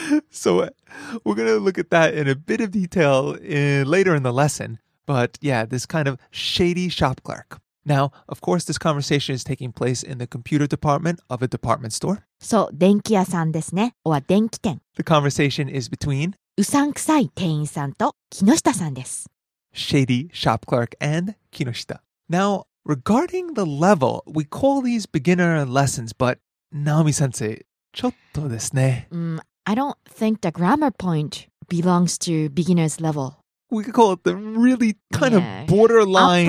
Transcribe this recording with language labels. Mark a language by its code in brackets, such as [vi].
[en] So, we're going to look at that in a bit of detail later in the lesson. But yeah, this kind of shady shop clerk. Now, of course, this conversation is taking place in the computer department of a department store. [ja] So, 電気屋さんですね。 or 電気店。 [en] The conversation is between... [ja] うさんくさい店員さんと木下さんです。 [en] Shady shop clerk and 木下。 Now, regarding the level, we call these beginner lessons, but Naomi sensei... [ja] ちょっとですね。 [en] I don't think the grammar point belongs to beginner's level. We could call it the really kind of borderline